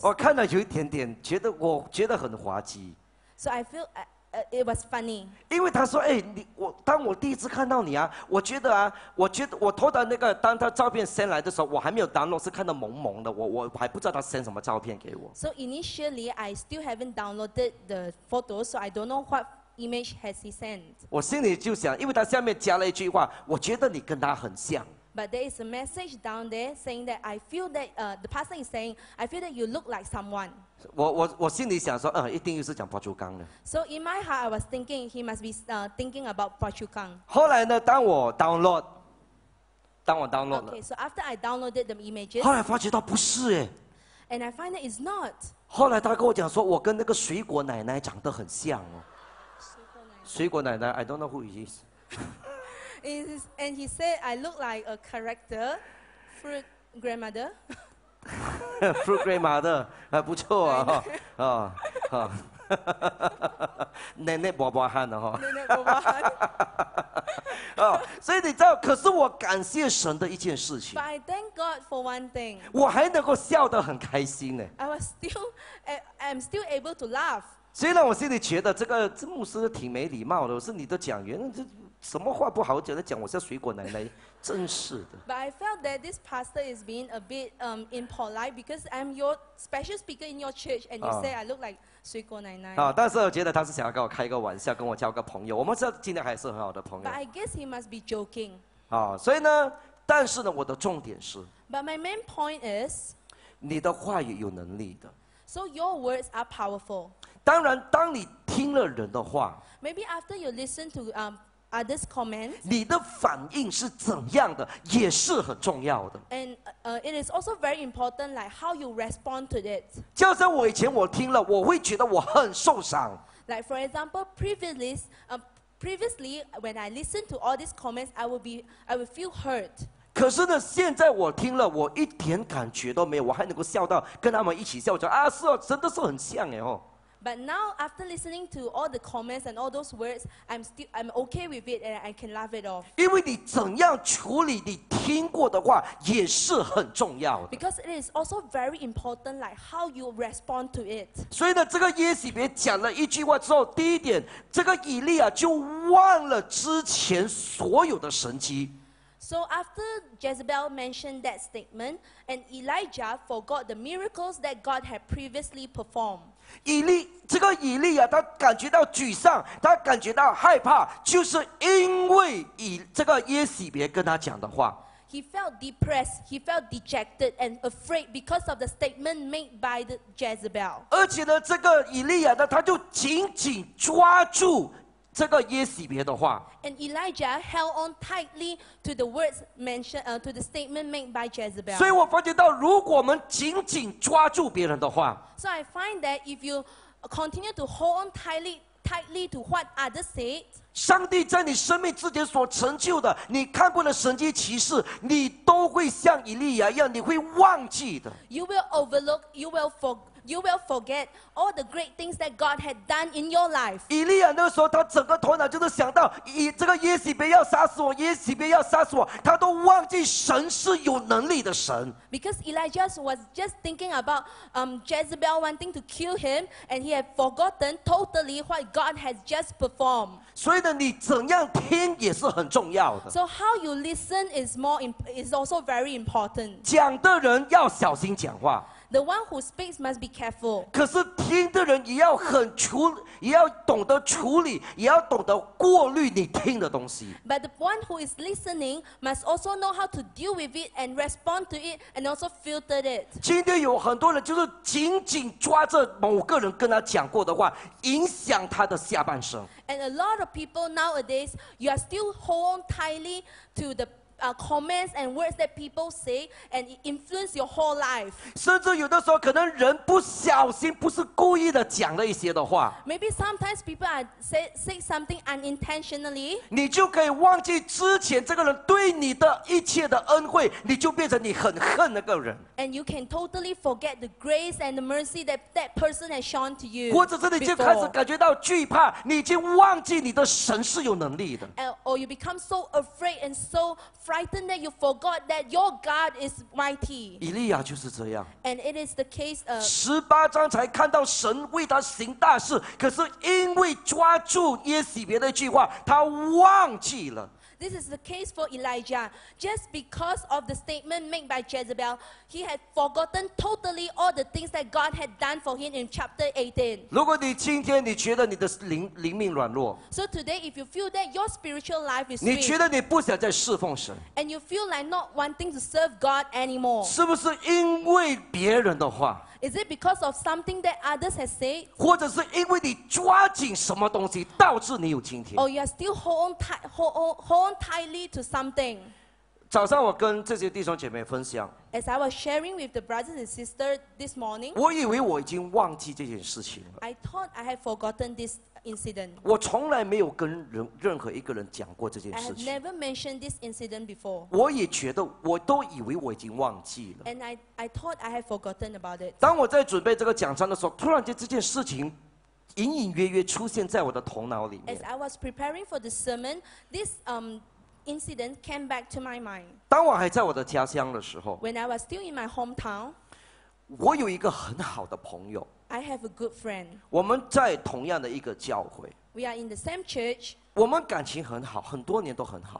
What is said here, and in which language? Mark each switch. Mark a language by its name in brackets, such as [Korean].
[Chinese] 我看了有一点点，觉得很滑稽。 [English] So I feel it was funny. [Chinese] 因为他说，哎，你我当我第一次看到你啊，我觉得啊，我觉得我偷到那个当他照片先来的时候，我还没有 download， 是看到蒙蒙的，我还不知道他 send 什么照片给我。 [English] So initially I still haven't downloaded the photos, so I don't know what image has he sent. [Chinese] 我心里就想，因为他下面加了一句话，我觉得你跟他很像。 [English] But there is a message down there saying that I feel that the pastor is saying I feel that you look like someone. [Chinese] 我心里想说，一定又是讲 Phua Chu Kang 的。 [English] So in my heart, I was thinking he must be thinking about Phua Chu Kang. [Chinese] 后来呢，当我 download 了。 [English] Okay, so after I downloaded the images. [Chinese] 后来发觉到不是耶。 [English] And I find that it's not. [Chinese] 后来他跟我讲说，我跟那个水果奶奶长得很像哦。 [English] 水果奶奶 ，I don't know who it is. And he said, "I look like a character, fruit grandmother." [Chinese] Fruit grandmother, 还不错啊！啊，奶奶伯伯汉的哈。奶奶伯伯汉。哦，所以你知道，可是我感谢神的一件事情。 [English] But I thank God for one thing. [Chinese] 我还能够笑得很开心呢。 [English] I'm still able to laugh. [Chinese] 虽然我心里觉得这牧师挺没礼貌的，我是你的讲员，什么话不好讲？在讲我是水果奶奶，真是的。 [English] But I felt that this pastor is being a bit impolite because I'm your special speaker in your church, and you say I look like 水果奶奶。 [Chinese] 啊，但是我觉得他是想要跟我开个玩笑，跟我交个朋友。我们这今天还是很好的朋友。 [English] But I guess he must be joking. [Chinese] 啊，所以呢，但是呢，我的重点是。 [English] But my main point is. [Chinese] 你的话语有能力的。 [English] So your words are powerful. [Chinese] 当然，当你听了人的话。 [English] Maybe after you listen to others comments, [Chinese] 你的反应是怎样的也是很重要的。 [English] And it is also very important, like how you respond to it. [Chinese] 就像我以前我听了，我会觉得我很受伤。 [English] Like for example, previously when I listened to all these comments, I would feel hurt. [Chinese] 可是呢，现在我听了，我一点感觉都没有，我还能够笑到跟他们一起笑，说啊，是啊，真的是很像哎哦。 [English] But now, after listening to all the comments and all those words, I'm okay with it, and I can laugh it off. [Chinese] 因为你怎样处理你听过的话也是很重要的。 [English] Because it is also very important, like how you respond to it. [Chinese] 所以呢，这个耶洗别讲了一句话之后，第一点，这个以利亚就忘了之前所有的神迹。 [English] So after Jezebel mentioned that statement, and Elijah forgot the miracles that God had previously performed. [Chinese] 这个以利亚他感觉到沮丧，他感觉到害怕，就是因为这个耶洗别跟他讲的话。 [English] He felt depressed, he felt dejected and afraid because of the statement made by the Jezebel. [Chinese] 而且呢，这个以利亚呢，他就紧紧抓住这个耶洗别的话。 [English] And Elijah held on tightly to the words mentioned, to the statement made by Jezebel. [Chinese] 所以我发觉到，如果我们紧紧抓住别人的话 [English] ，So I find that if you continue to hold on tightly to what others say, [Chinese] 上帝在你生命之前所成就的，你看过的神迹奇事，你都会像以利亚一样，你会忘记的。 [English] You will overlook, you will forget all the great things that God had done in your life. [Chinese] 以利亚那个时候，他整个头脑就是想到这个耶洗别要杀死我，耶洗别要杀死我，他都忘记神是有能力的神。 [English] Because Elijah was just thinking about Jezebel wanting to kill him, and he had forgotten totally what God has just performed. [Chinese] 所以呢，你怎样听也是很重要的。 [English] So how you listen is also very important. [Chinese] 讲的人要小心讲话。 [English] The one who speaks must be careful. [Chinese] 可是听的人也要很处，也要懂得处理，也要懂得过滤你听的东西。 [English] But the one who is listening must also know how to deal with it and respond to it and also filter it. [Chinese] 今天有很多人就是紧紧抓着某个人跟他讲过的话，影响他的下半生。 [English] And a lot of people nowadays, you are still hold on tightly to theComments and words that people say, and it influence your whole life. [Chinese] 甚至有的时候，可能人不小心，不是故意的讲了一些的话。 [English] Maybe sometimes people say something unintentionally. [Chinese] 你就可以忘记之前这个人对你的一切的恩惠，你就变成你很恨那个人。 [English] And you can totally forget the grace and the mercy that person has shown to you. [Chinese] 或者是你就开始感觉到惧怕，你已经忘记你的神是有能力的。 [English] Or you become so afraid and so frightened that you forgot that your God is mighty. [Chinese] 以利亚就是这样。 [English] And it is the case of [Chinese] 十八章才看到神为他行大事，可是因为抓住耶洗别的一句话，他忘记了。 [English] This is the case for Elijah. Just because of the statement made by Jezebel, he had forgotten totally all the things that God had done for him in chapter 18. [Chinese] 如果你今天你觉得你的灵命软弱 [English] ，So today if you feel that your spiritual life is weak, [Chinese] 你觉得你不想再侍奉神 [English] ，And you feel like not wanting to serve God anymore, [Chinese] 是不是因为别人的话 [English] ？Is it because of something that others have said? [Chinese] 或者是因为你抓紧什么东西导致你有今天 [English] ？Or you are still hold on tightly to something. [Chinese] 早上我跟这些弟兄姐妹分享。 [English] As I was sharing with the brothers and sisters this morning, [Chinese] 我以为我已经忘记这件事情了。 [English] I thought I had forgotten this incident. [Chinese] 我从来没有跟任何一个人讲过这件事情。 [English] I have never mentioned this incident before. [Chinese] 我也觉得，我都以为我已经忘记了。 [English] And I thought I had forgotten about it. [Chinese] 当我在准备这个讲章的时候，突然间这件事情隐隐约约出现在我的头脑里面。 [English] As I was preparing for the sermon, this incident came back to my mind. [Chinese] 当我还在我的家乡的时候 [English] ，When I was still in my hometown, [Chinese] 我有一个很好的朋友。 [English] I have a good friend. [Chinese] 我们在同样的一个教会。 [English] We are in the same church. [Chinese] 我们感情很好，很多年都很好。